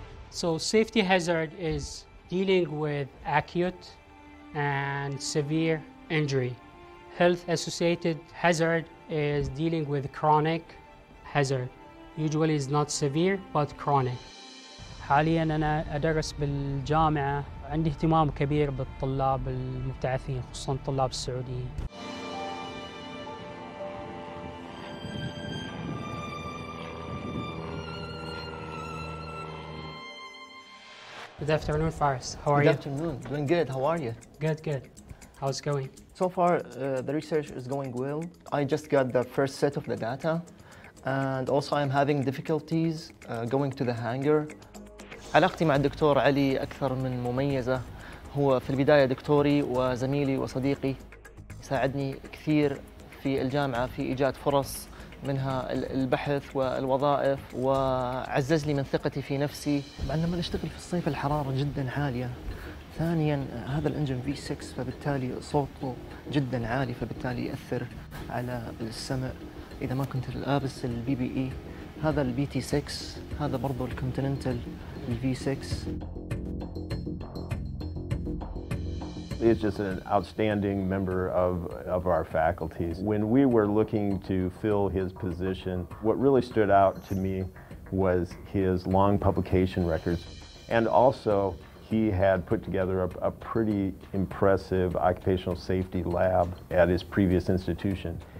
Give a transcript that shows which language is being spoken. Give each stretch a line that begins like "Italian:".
English: So safety hazard is dealing with acute and severe injury. Health associated hazard is dealing with chronic hazard. Usually is not severe but chronic.
Arabic: حاليا انا ادرس بالجامعه، عندي اهتمام كبير بالطلاب المبتعثين خصوصا الطلاب السعوديين.
English: Good afternoon, Faris. How are you? Good afternoon. Doing good. How are you? Good. How's it going? So far, the research is going well. I just got the first set of the data, and also I'm having difficulties going to the hangar.
Arabic: علاقتي مع الدكتور علي أكثر من مميزة. هو في البداية دكتوري وزميلي وصديقي، ساعدني كثير في الجامعة في إيجاد فرص، منها البحث والوظائف، وعزز لي من ثقتي في نفسي. عندما نشتغل في الصيف الحرارة جدا عالية. ثانيا هذا الانجن V6، فبالتالي صوته جدا عالي، فبالتالي يأثر على السمع، إذا ما كنت لابس البي بي إي، هذا البي تي 6، هذا برضو الكونتيننتال البي 6.
English: He's just an outstanding member of our faculties. When we were looking to fill his position, what really stood out to me was his long publication records. And also, he had put together a pretty impressive occupational safety lab at his previous institution.